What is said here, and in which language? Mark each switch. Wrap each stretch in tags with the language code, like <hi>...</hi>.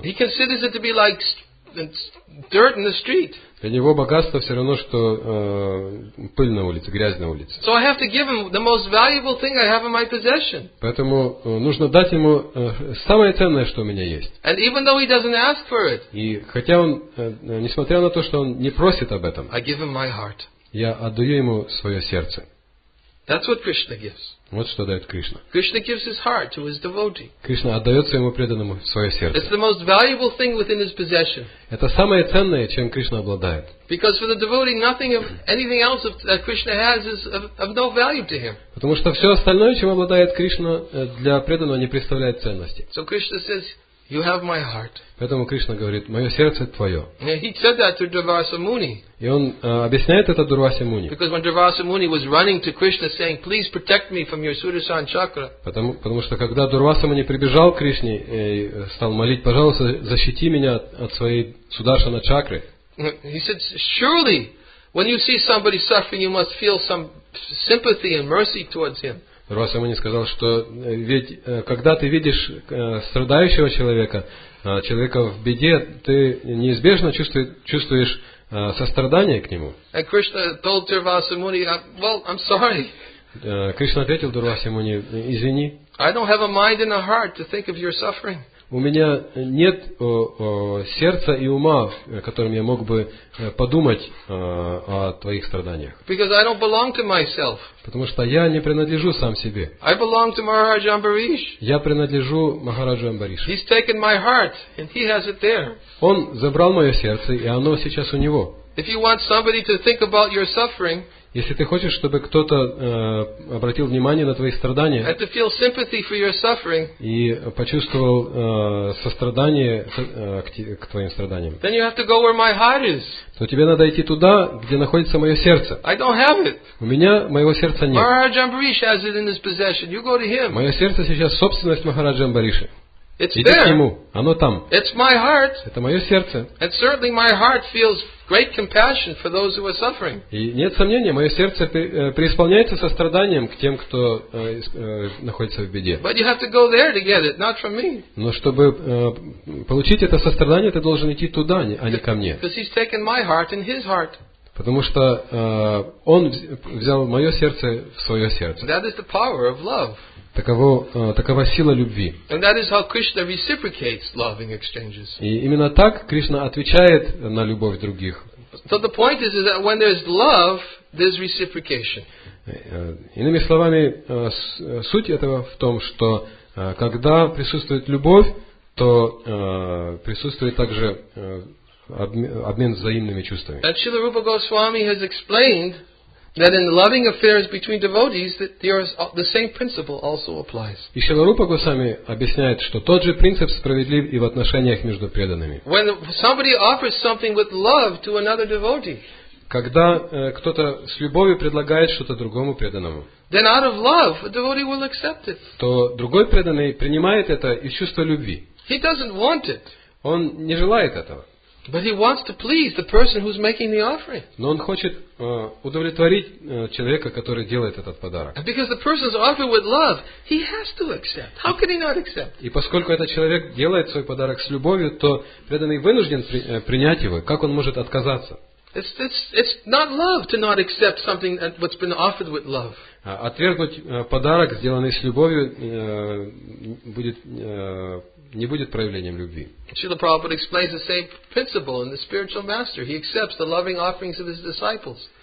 <en>He considers it to be like dirt in the street.</en> <ru>Для него богатство все равно, что пыль на улице, грязь на улице.</ru> <en>So I have to give him the most valuable thing I have in my possession.</en> <ru>Поэтому нужно дать ему самое ценное, что у меня есть.</ru> <en>And even though he doesn't ask for it.</en> <ru>И хотя он, несмотря на то, что он не просит об этом.</ru> <en>I give him my heart.</en> <ru>Я отдаю ему свое сердце.</ru> <en>That's what Krishna gives.</en> <ru>Вот что дает Кришна.</ru> <en>Krishna gives his heart to his devotee.</en> <ru>Кришна отдает своему преданному свое сердце.</ru> <en>It's the most valuable thing within his possession.</en> <ru>Это самое ценное, чем Кришна обладает.</ru> <en>Because for the devotee, nothing of anything else that Krishna has is of no value to him.</en> <ru>Потому что все остальное, чем обладает Кришна, для преданного не представляет ценности.</ru> <en>So Krishna says, "You have my heart."</en> <ru>Поэтому Кришна говорит, мое сердце твое.</ru> <en>Yeah, he said that to Durvasa Muni.</en> <ru>И он объясняет это Дурвасе Муни.</ru> <en>Because when Durvasa Muni was running to Krishna saying, "Please protect me from your Sudarshan Chakra."</en> <ru>Потому что когда Дурвасе Муни прибежал к Кришне и стал молить, пожалуйста, защити меня от своей Сударшана Чакры.</ru> <en>He said, "Surely, when you see somebody suffering, you must feel some sympathy and mercy towards him."</en> <ru>Дурвасе Муни сказал, что ведь когда ты видишь страдающего человека, человека в беде, ты неизбежно чувствуешь сострадание к нему.</ru> <en>And Krishna told Durvasa Muni, "Well, I'm sorry."</en> <ru>Кришна ответил Дурвасе Муни, "Извини."</ru> <en>I don't have a mind and a heart to think of your suffering.</en> <ru>У меня нет сердца и ума, которым я мог бы подумать о твоих страданиях.</ru> <en>Because I don't belong to myself.</en> <ru>Потому что я не принадлежу сам себе.</ru> <en>I belong to Maharaja Ambarish.</en> <ru>Я принадлежу Махараджу Амбаришу.</ru> <en>He's taken my heart and he has it there.</en> <ru>Он забрал мое сердце, и оно сейчас у него.</ru> <en>If you want somebody to think about your suffering,</en> <ru>если ты хочешь, чтобы кто-то обратил внимание на твои страдания</ru> <en>and to feel sympathy for your suffering,</en> <ru>и почувствовал сострадание к твоим страданиям,</ru> <en>then you have to go where my heart is.</en> <ru>То тебе надо идти туда, где находится мое сердце.</ru> <en>I don't have it.</en> <ru>У меня моего сердца нет.</ru> <en>Maharaja Ambarish has it in his possession. You go to him.</en> <ru>Мое сердце сейчас собственность Махараджи Амбариши.</ru> <en>It's</en> <ru>иди</ru> <en>there.</en> <ru>К нему, оно там.</ru> <en>It's my heart.</en> <ru>Это мое сердце.</ru> <en>And certainly my heart feels great compassion for those who are suffering.</en> <ru>И нет сомнения, мое сердце преисполняется состраданием к тем, кто находится в беде.</ru> <en>But you have to go there to get it, not from me.</en> <ru>Но чтобы получить это сострадание, ты должен идти туда, а не ко мне.</ru> <en>Because he's taken my heart in his heart.</en> <ru>Потому что он взял мое сердце в свое сердце.</ru> <en>That is the power of love.</en> <ru>Такова сила любви.</ru> <en>And that is how Krishna reciprocates loving exchanges.</en> <ru>И именно так Кришна отвечает на любовь других.</ru> <en>So the point is that when there's love, there's reciprocation.</en> <ru>Иными словами, суть этого в том, что когда присутствует любовь, то присутствует также обмен взаимными чувствами.</ru> <en>And Srila Rupa Goswami has explained that in loving affairs between devotees, that there is the same principle also applies.</en> <ru>И Шрила Рупа Госвами объясняет, что тот же принцип справедлив и в отношениях между преданными.</ru> <en>When somebody offers something with love to another devotee,</en> <ru>когда кто-то с любовью предлагает что-то другому преданному,</ru> <en>then out of love, a devotee will accept it.</en> <ru>То другой преданный принимает это из чувства любви.</ru> <en>He doesn't want it.</en> <ru>Он не желает этого.</ru> <en>But he wants to please the person who's making the offering.</en> <ru>Но он хочет удовлетворить человека, который делает этот подарок.</ru> <en>And because the person's offered with love, he has to accept. How can he not accept?</en> <ru>И поскольку этот человек делает свой подарок с любовью, то преданный вынужден принять его. Как он может отказаться?</ru> <en>It's not love to not accept something that's been offered with love.</en> <ru>Отвергнуть подарок, сделанный с любовью, будет не будет проявлением любви.</ru> <en>Srila Prabhupada explains the same principle in the spiritual master. He accepts the loving offerings of his disciples.</en>